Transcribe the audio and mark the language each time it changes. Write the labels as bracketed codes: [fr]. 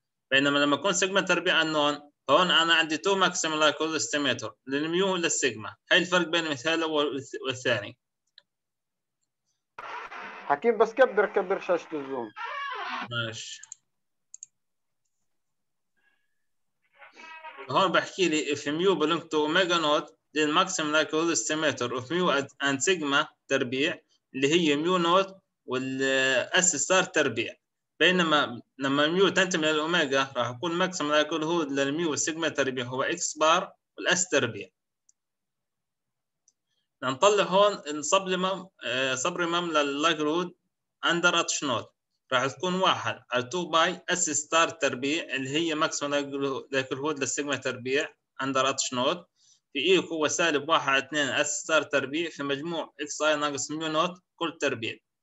[ar] بينما لما يكون سيجما تربيع انون، هون انا عندي تو ماكسيمم لايكلود استيميتر للميو وللسيجما. هاي الفرق بين المثال الاول والثاني. حكيم بس كبر كبر شاشة الزوم. ماشي. [en] هون بحكي لي if mu belong to omega naught then maximum likelihood estimator of mu and sigma تربيع [ar] اللي هي [en] mu naught والS star تربيع. [ar] بينما لما mu تنتمي للأوميجا راح يكون maximum likelihood للميو والسيجما تربيع هو X bar والS تربيع. نطلع هون السبليمم سبريمم للايكلود اندر اتش نوت، راح تكون واحد على 2 باي اس ستار تربيع اللي هي ماكسيمم لايكلود للسيجما تربيع اندر اتش نوت، في اي قوه سالب 1 على 2 اس ستار تربيع في مجموع اكس اي ناقص ميو نوت كل تربيع.